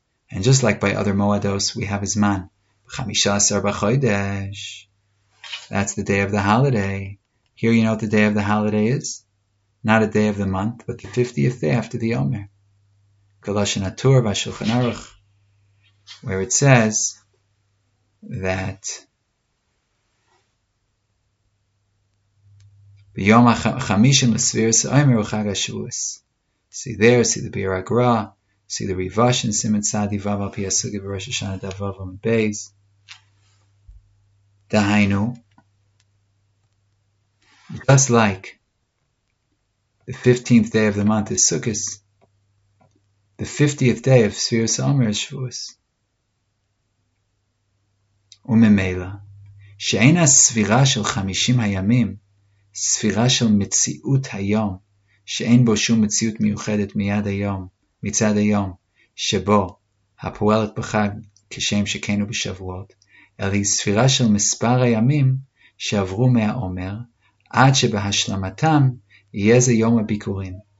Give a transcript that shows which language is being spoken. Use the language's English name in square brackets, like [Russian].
[English] And just like by other Moados, we have Zman. [Hebrew] B'chamishasar b'chodesh. [English] That's the day of the holiday. Here you know what the day of the holiday is? Not a day of the month, but the 50th day after the Omer. [Hebrew] Galashin Atur v'Shulchan Aruch. [English] Where it says that [Hebrew] ביום החמישים לספירס עומר הוא חג השבועס. [English] See there, see the ביר הגרא, see the ריבש in סימן צעדי ובא פי הסוגי בראש השנה דבר ומבייז. דהיינו, just like the 15th day of the month is סוכס, the 50th day of ספירס עומר is שבועס. [Hebrew] וממילא, שאין הספירה של 50 הימים, ספירה של מציאות היום, שאין בו שום מציאות מיוחדת מיד היום, מצד היום, שבו הפועלת בחג כשם שכנו בשבועות, אלא היא ספירה של מספר הימים שעברו מהעומר, עד שבהשלמתם יהיה זה יום הביקורים.